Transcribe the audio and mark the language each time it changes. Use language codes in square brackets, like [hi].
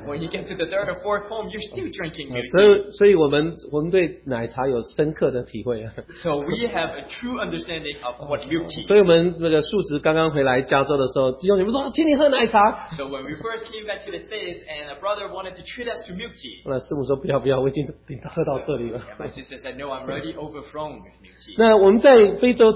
[en] When you get to the third or fourth home, you're still drinking milk tea. [zh] 所以我们对奶茶有深刻的体会。 [en] So we have a true understanding of what milk tea. [zh] 所以我们那个树枝刚刚回来加州的时候，弟兄姐妹说：“请你喝奶茶。” [en] So when we first came back to the States, and a brother wanted to treat us to milk tea. [zh] 那师母说：“不要不要，我已经喝到这里了。” [en] My sister said, "No, I'm already overflown with milk tea."